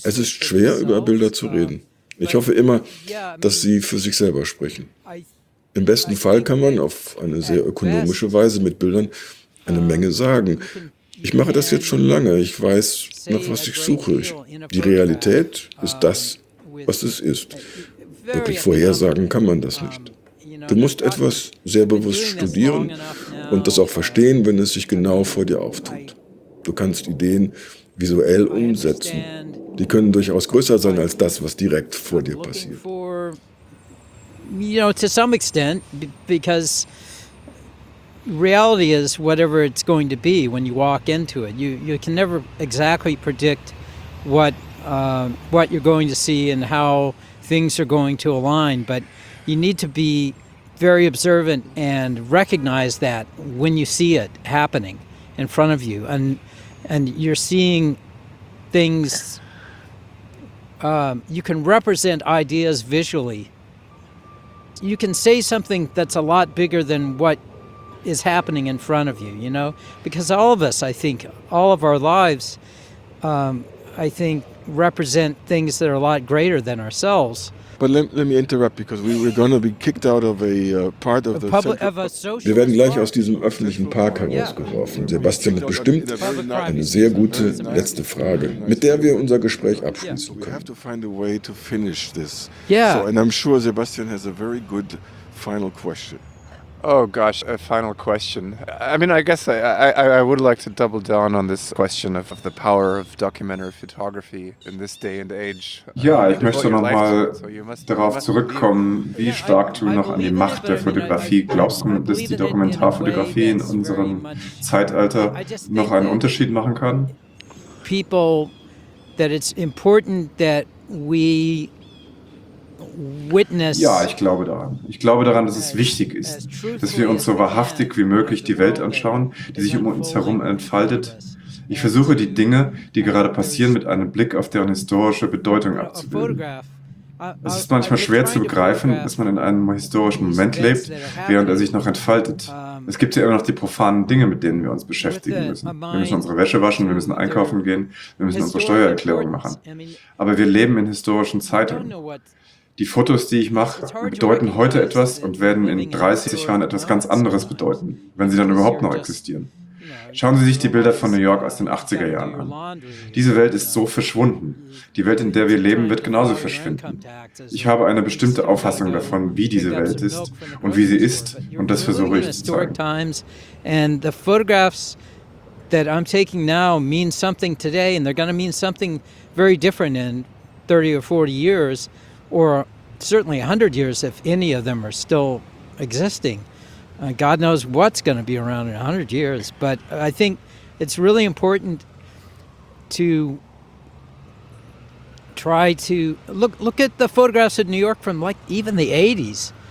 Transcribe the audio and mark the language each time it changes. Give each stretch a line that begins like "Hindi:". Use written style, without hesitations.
German: Es ist schwer, über Bilder zu reden. Ich hoffe immer, dass sie für sich selber sprechen. Im besten Fall kann man auf eine sehr ökonomische Weise mit Bildern eine Menge sagen. Ich mache das jetzt schon lange. Ich weiß, nach was ich suche. Die Realität ist das, was es ist. Wirklich vorhersagen kann man das nicht. Du musst etwas sehr bewusst studieren und das auch verstehen, wenn es sich genau vor dir auftut. Du kannst Ideen visuell umsetzen. Die können durchaus größer sein als das, was direkt vor dir passiert.
English: You know, to some extent, because reality is whatever it's going to be when you walk into it. You can never exactly predict what you're going to see and how things are going to align, but you need to be very observant and recognize that when you see it happening in front of you, and you're seeing things, you can represent ideas visually. You can say something that's a lot bigger than what is happening in front of you, you know? Because all of us, I think, all of our lives, I think, represent things that are a lot greater than ourselves. But let me interrupt, because we're going to be kicked out of a part of the public, central park.
German: Wir werden gleich aus diesem öffentlichen Park herausgeworfen. Sebastian hat bestimmt eine sehr gute letzte Frage, mit der wir unser Gespräch abschließen können.
English: We have to find a way to finish this. Yeah. So, and I'm sure Sebastian has a very good final question. Oh gosh, a final question. I mean, I guess I would like to double down on this question of the power of documentary photography in this day and age.
German: Ja, ich möchte nochmal darauf zurückkommen, wie stark du noch an die Macht der Fotografie glaubst, dass die Dokumentarfotografie in unserem Zeitalter noch einen Unterschied machen kann.
English: People, that it's important that we witness.
German: Ja, ich glaube daran. Ich glaube daran, dass es wichtig ist, dass wir uns so wahrhaftig wie möglich die Welt anschauen, die sich um uns herum entfaltet. Ich versuche, die Dinge, die gerade passieren, mit einem Blick auf deren historische Bedeutung abzubilden. Es ist manchmal schwer zu begreifen, dass man in einem historischen Moment lebt, während er sich noch entfaltet. Es gibt ja immer noch die profanen Dinge, mit denen wir uns beschäftigen müssen. Wir müssen unsere Wäsche waschen, wir müssen einkaufen gehen, wir müssen unsere Steuererklärung machen. Aber wir leben in historischen Zeiten. Die Fotos, die ich mache, bedeuten heute etwas und werden in 30 Jahren etwas ganz anderes bedeuten, wenn sie dann überhaupt noch existieren. Schauen Sie sich die Bilder von New York aus den 80er Jahren an. Diese Welt ist so verschwunden. Die Welt, in der wir leben, wird genauso verschwinden. Ich habe eine bestimmte Auffassung davon, wie diese Welt ist und wie sie ist, und das versuche ich zu zeigen.
English: And the photographs that I'm taking now mean something today, and they're going to mean something very different in 30 or 40 years. Or certainly 100 years, if any of them are still existing. God knows what's going to be around in 100 years. But I think it's really important to try to look at the photographs of New York from like even the 80s.